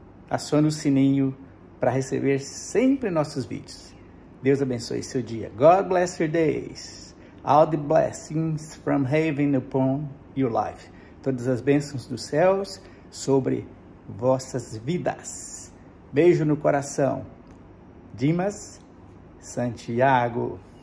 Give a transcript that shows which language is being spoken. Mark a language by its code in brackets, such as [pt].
[pt] Acione o sininho para receber sempre nossos vídeos. Deus abençoe seu dia. [en] God bless your days. All the blessings from heaven upon your life. [pt] Todas as bênçãos dos céus sobre vossas vidas. Beijo no coração. Dimas Santiago.